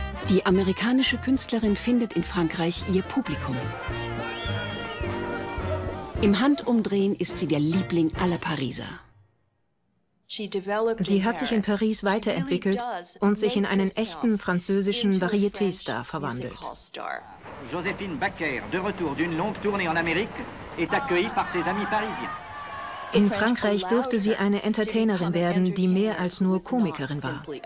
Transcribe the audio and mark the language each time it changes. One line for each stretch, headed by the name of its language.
German: Die amerikanische Künstlerin findet in Frankreich ihr Publikum. Im Handumdrehen ist sie der Liebling aller Pariser. Sie hat sich in Paris weiterentwickelt und sich in einen echten französischen Varieté-Star verwandelt.
French: Josephine Baker, de retour d'une longue tournée en Amérique, est accueillie par ses amis parisiens.
German: In Frankreich durfte sie eine Entertainerin werden, die mehr als nur Komikerin war.